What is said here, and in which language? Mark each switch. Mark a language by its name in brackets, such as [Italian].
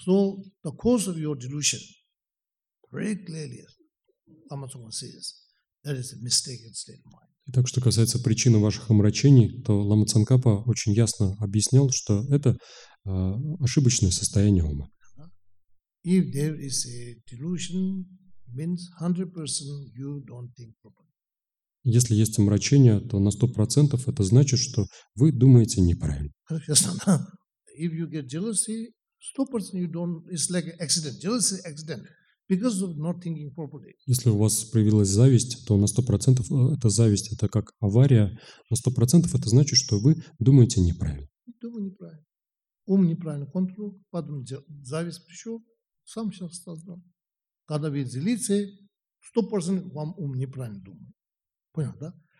[English] So, the cause of your delusion, very clearly, Lamasoma says, that is a mistaken state of mind. [Russian] Итак, что касается причины ваших омрачений, то Лама Цанкапа очень ясно объяснял, что это ошибочное состояние ума. [English] If there is a delusion, means 100% you don't think properly. [Russian] Если есть омрачение, то на 100% это значит, что вы думаете неправильно. Конечно, да. [English] If you get jealousy, 100% you don't, it's like an accident. Jealousy accident. Because of not thinking properly. [Russian] Если у вас проявилась зависть, то на 100% это зависть, это как авария. На 100% это значит, что вы думаете неправильно. Думаю неправильно. Ум неправильно контролирует, потом зависть пришел, сам сейчас создал. Когда вы злитесь, 100% вам ум неправильно думает. Понял, да?